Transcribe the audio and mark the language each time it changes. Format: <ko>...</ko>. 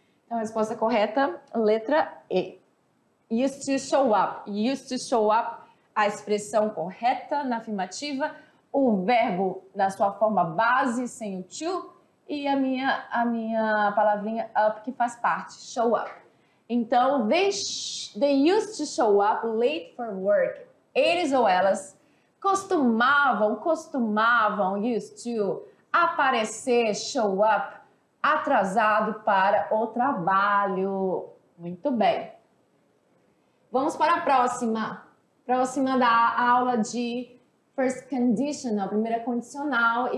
<pt>Então, a resposta correta, letra E.</pt> <en>Used to show up.</en> <pt>Used to show up, a expressão correta na afirmativa, o verbo na sua forma base, sem o to, e a minha palavrinha up, que faz parte, show up. Então,</pt> <en>they used to show up late for work.</en> <pt>Eles ou elas costumavam, used to, aparecer, show up, atrasado para o trabalho. Muito bem. Vamos para a próxima. Próxima da aula de first conditional, primeira condicional.</pt>